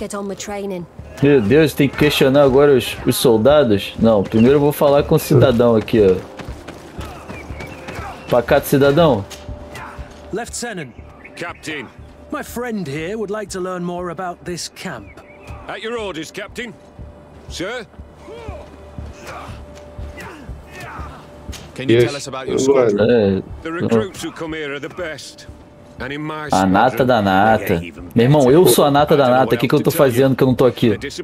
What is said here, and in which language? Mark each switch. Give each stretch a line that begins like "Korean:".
Portuguese: Meu Deus, tem que questionar agora os soldados? Não, primeiro eu vou falar com o cidadão aqui, ó. Pacato cidadão.
English: Lieutenant. Captain. My friend here would like to learn more about this camp. At your orders, Captain. Sir? Can you tell us about your squadron? The recruits who come here are the best. And in my squadron,
Portuguese: a nata da nata. Meu irmão, eu sou a nata da nata. O que eu tô fazendo que eu não tô aqui?